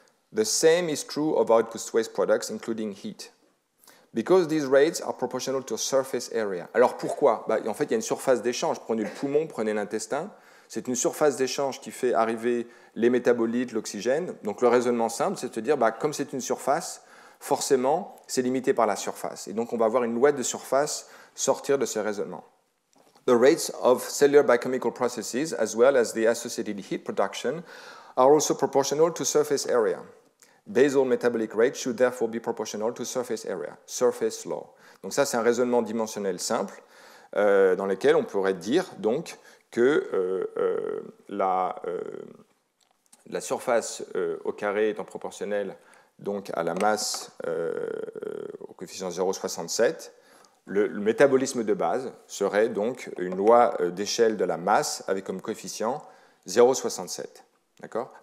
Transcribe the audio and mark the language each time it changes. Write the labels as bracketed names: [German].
[English] The same is true of output waste products, including heat. Because these rates are proportional to surface area. » [French] Alors pourquoi ? En fait, il y a une surface d'échange. Prenez le poumon, prenez l'intestin. C'est une surface d'échange qui fait arriver les métabolites, l'oxygène. Donc le raisonnement simple, c'est de se dire, comme c'est une surface, forcément, c'est limité par la surface. Et donc on va avoir une loi de surface sortir de ce raisonnement. [English] The rates of cellular biochemical processes, as well as the associated heat production, are also proportional to surface area. Basal metabolic rate should therefore be proportional to surface area, surface law. [French] Donc ça, c'est un raisonnement dimensionnel simple dans lequel on pourrait dire donc que la surface au carré étant proportionnelle donc à la masse au coefficient 0,67, le métabolisme de base serait donc une loi d'échelle de la masse avec comme coefficient 0,67. D'accord ?